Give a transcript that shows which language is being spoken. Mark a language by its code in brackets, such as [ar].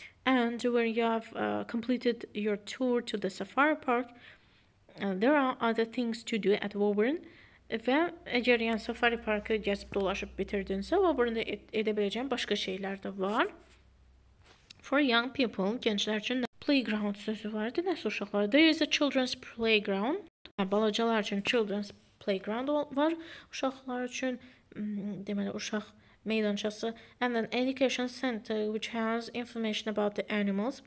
[en] And when you have completed your tour to the safari park, there are other things to do at Woburn. [az] Və əgər yəni safari parkı gəzib dolaşıb bitirdinsə, Woburn'da edə biləcəyin başqa şeylər də var. [en] For young people, [az] gənclər üçün playground sözü var idi. Nəsə uşaqlar? [en] There is a children's playground. [az] Balacalar üçün children's playground var. Uşaqlar üçün, deməli, uşaq meydançası. [en] And an education center, which has information about the animals.